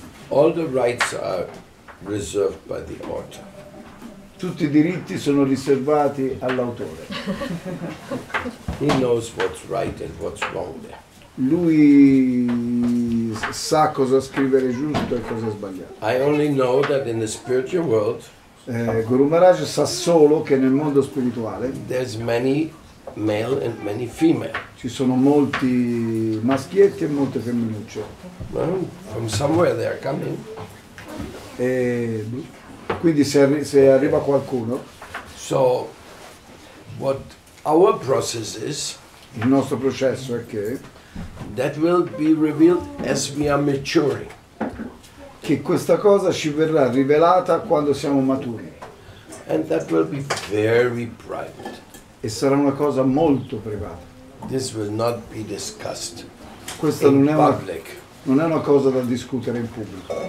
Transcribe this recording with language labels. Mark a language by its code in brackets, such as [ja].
[en] All the rights are reserved by the author. [it] Tutti I diritti sono riservati all'autore. [en] He knows what's right and what's wrong there. [it] Lui sa cosa scrivere giusto e cosa sbagliato. [en] I only know that in the spiritual world, [it] Guru Maharaj sa solo che nel mondo spirituale [en] there's many male and many female. [it] Ci sono molti maschietti e molte femminucce. [en] From somewhere they are coming. [it] Quindi se arriva qualcuno. [en] So what our process is, [it] il nostro processo è che [en] that will be revealed as we are maturing. [it] Che questa cosa ci verrà rivelata quando siamo maturi. [en] And that will be very private. [it] E sarà una cosa molto privata. [en] This will not be discussed. [it] Questa [en] in [it] non è una, [en] public. [it] Non è una cosa da discutere in pubblico.